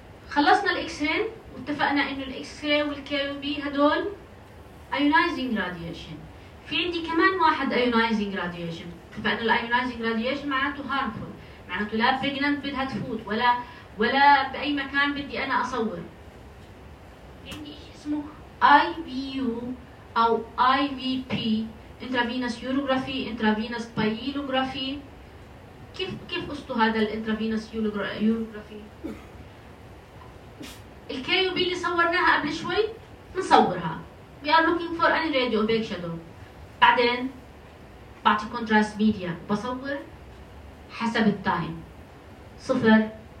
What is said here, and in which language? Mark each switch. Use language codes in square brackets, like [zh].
[ar] خلصنا الاكس راي واتفقنا انه الاكس راي والكي بي هدول ايونايزنج راديشن. في عندي كمان واحد ايونايزنج راديشن، اتفقنا الايونايزنج راديشن معناته هارمفول، معناته لا بريجننت بدها تفوت ولا باي مكان بدي انا اصور. عندي شيء اسمه IVU أو IVP intravenous urography intravenous pyelography. كيف قصته هذا ال intravenous urography؟ ال KUB اللي صورناها قبل شوي نصورها [en] we are looking for any radio opaque shadow، [ar] بعدين بعطي contrast media بصور حسب التايم 0